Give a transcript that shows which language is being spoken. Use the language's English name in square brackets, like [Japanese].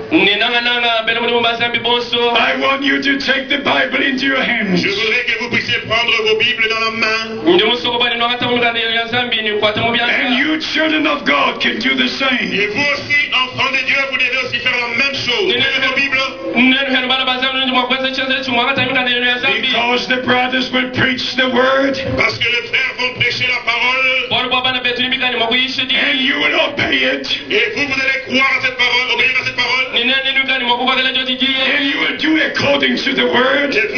[English] I want you to take the Bible into your hands. [French] Je voudrais que vous puissiez prendre vos Bibles dans la main. [English] And you children of God can do the same. [French] Et vous aussi, enfants de Dieu, vous devez aussi faire la même chose. Prenez vos Bibles. [English] Because the brothers will preach the word. [French] Parce que les frères vont prêcher la parole. [English] And you will obey it. [French] Et vous allez croire à cette parole, obéir à cette parole. [English] And you will do according to the word.